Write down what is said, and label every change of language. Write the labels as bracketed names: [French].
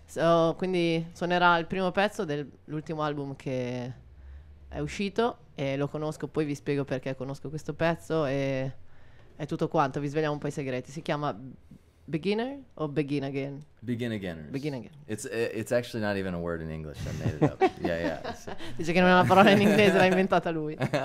[Italian] So, quindi suonerà il primo pezzo dell'ultimo album che è uscito e lo conosco, poi vi spiego perché conosco questo pezzo e è tutto quanto, vi svegliamo un po' i segreti. Si chiama Beginner o Begin Again? [English] Begin Againers. Begin Again. It's actually not even a word in English, I made it up. Yeah. So. [Italian] Dice che non è una parola in inglese, l'ha inventata lui.